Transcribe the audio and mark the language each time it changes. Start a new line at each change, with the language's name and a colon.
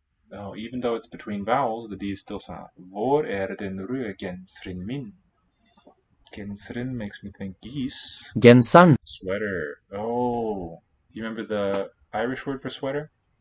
English: Now, even though it's between vowels, the D is still silent.
Norwegian: Hvor den røde genseren min?
English: Gensren makes me think geese. Gensan. Sweater. Oh. Do you remember the Irish word for sweater?